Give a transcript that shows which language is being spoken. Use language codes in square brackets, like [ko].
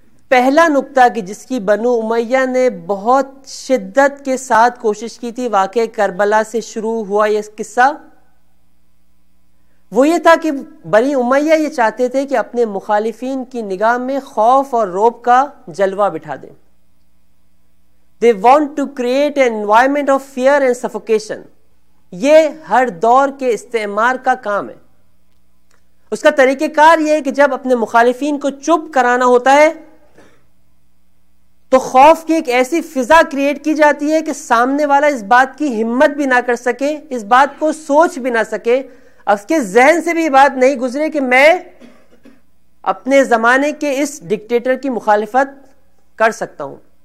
[ur] پہلا نقطہ کہ جس کی بنو امیہ نے بہت شدت کے ساتھ کوشش کی تھی واقع کربلا سے شروع ہوا یہ قصہ, وہ یہ تھا کہ بنی امیہ یہ چاہتے تھے کہ اپنے مخالفین کی نگاہ میں خوف اور روب کا جلوہ بٹھا دیں. [en] They want to create an environment of fear and suffocation. [ur] یہ ہر دور کے استعمار کا کام ہے. اس کا طریقہ کار یہ ہے کہ جب اپنے مخالفین کو چپ کرانا ہوتا ہے تو خوف کی ایک ایسی فضا کریٹ کی جاتی ہے کہ سامنے والا اس بات کی ہمت بھی نہ کر سکے, اس بات کو سوچ بھی نہ سکے, اس کے ذہن سے بھی یہ بات نہیں گزرے کہ میں اپنے زمانے کے اس ڈکٹیٹر کی مخالفت کر سکتا ہوں.